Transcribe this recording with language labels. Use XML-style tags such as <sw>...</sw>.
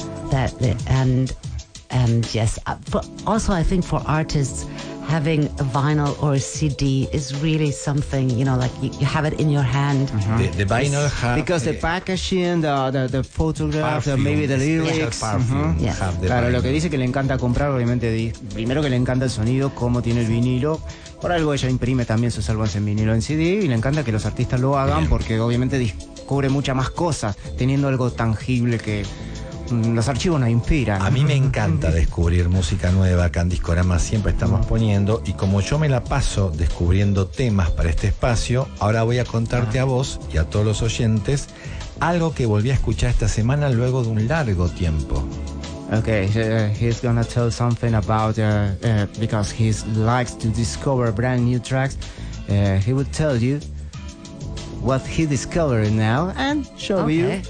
<en>that and yes, but also I think for artists, having a vinyl or a CD is really something, you know, like you have it in your hand. Mm-hmm. The vinyl has... Because the packaging, the photograph, perfume, maybe the lyrics. Perfume, yeah. Have</en> <es>claro, vinyl. Lo que dice que le encanta comprar, obviamente, primero que le encanta el sonido, cómo tiene el vinilo. Por algo ella imprime también sus álbumes en vinilo en CD y le encanta que los artistas lo hagan. Bien. Porque obviamente descubre muchas más cosas teniendo algo tangible que... Los archivos nos inspiran. A mí me encanta descubrir música nueva acá en Discorama, siempre estamos poniendo. Y como yo me la paso descubriendo temas para este espacio, ahora voy a contarte a vos y a todos los oyentes algo que volví a escuchar esta semana luego de un largo tiempo.</es> <en>Ok, he's gonna tell something about because he likes to discover brand new tracks. He would tell you what he discovered now and show you.</en>